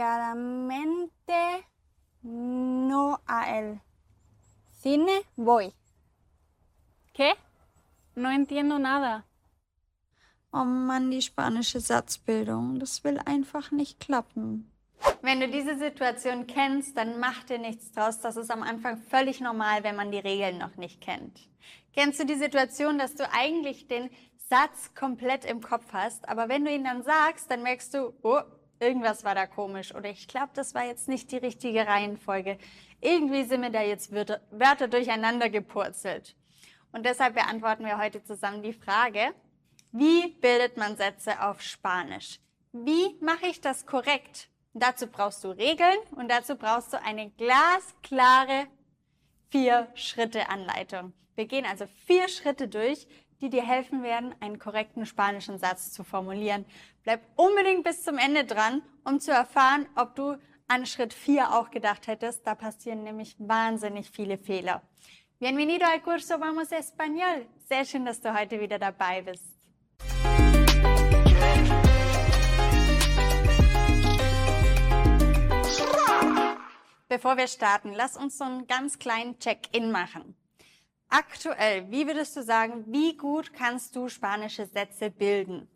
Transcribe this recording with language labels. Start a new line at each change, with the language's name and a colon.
Spanish: Desgraciadamente no al cine voy. ¿Qué? No entiendo nada.
German: Oh Mann, die spanische Satzbildung, das will einfach nicht klappen. Wenn du diese Situation kennst, dann mach dir nichts draus. Das ist am Anfang völlig normal, wenn man die Regeln noch nicht kennt. Kennst du die Situation, dass du eigentlich den Satz komplett im Kopf hast, aber wenn du ihn dann sagst, dann merkst du, oh, irgendwas war da komisch oder ich glaube, das war jetzt nicht die richtige Reihenfolge. Irgendwie sind mir da jetzt Wörter durcheinander gepurzelt. Und deshalb beantworten wir heute zusammen die Frage, wie bildet man Sätze auf Spanisch? Wie mache ich das korrekt? Dazu brauchst du Regeln und dazu brauchst du eine glasklare 4-Schritte-Anleitung. Wir gehen also 4 Schritte durch, die dir helfen werden, einen korrekten spanischen Satz zu formulieren. Bleib unbedingt bis zum Ende dran, um zu erfahren, ob du an Schritt 4 auch gedacht hättest. Da passieren nämlich wahnsinnig viele Fehler.
Spanish: Bienvenido al curso Vamos Español.
German: Sehr schön, dass du heute wieder dabei bist. Bevor wir starten, lass uns so einen ganz kleinen Check-in machen. Aktuell, wie würdest du sagen, wie gut kannst du spanische Sätze bilden?